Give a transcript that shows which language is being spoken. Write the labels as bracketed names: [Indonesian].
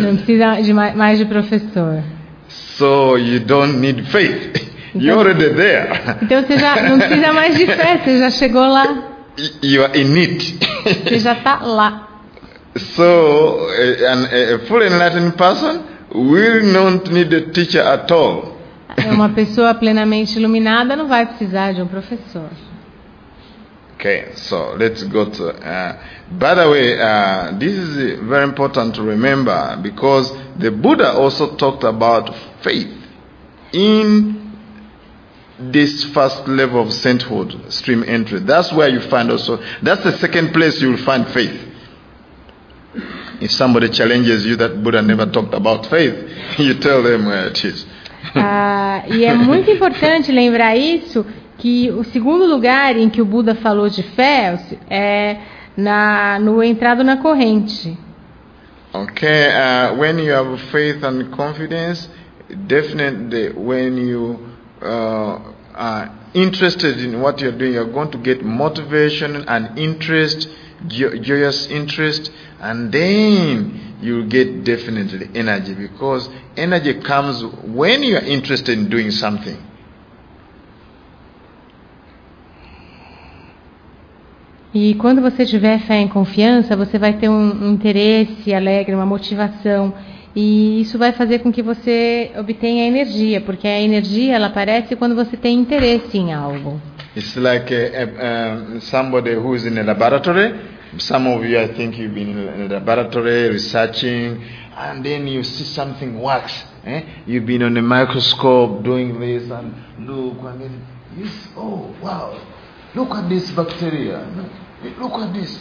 [Portuguese] Não precisa de mais de professor. [English] So you don't need faith. You're already there. [Portuguese] Então você já não precisa mais de fé, você já chegou lá. [English] You are in it. [Portuguese] Você já está lá. [English] So a full enlightened person will not need a teacher at all. [Portuguese] Uma pessoa plenamente iluminada não vai precisar de um professor. [English] Okay, so let's go to. By the way, this is very important to remember because the Buddha also talked about faith in this first level of sainthood, stream entry. That's where you find also. That's the second place you will find faith. If somebody challenges you that Buddha never talked about faith, you tell them where it is. [Portuguese] E é muito importante lembrar isso, que o segundo lugar em que o Buda falou de fé é no entrado na corrente. [English] Okay, when you have faith and confidence, definitely when you are interested in what you're doing, you're going to get motivation and interest, joyous interest, and then you get definitely energy, because energy comes when you are interested in doing something. [Portuguese] E quando você tiver fé e confiança, você vai ter um interesse alegre, uma motivação, e isso vai fazer com que você obtenha energia, porque a energia ela aparece quando você tem interesse em algo. [English] It's like somebody who is in a laboratory. Some of you, I think, you've been in a laboratory researching, and then you see something works. Eh? You've been on a microscope doing this and look, and then you see, oh wow, look at this bacteria. Look at this.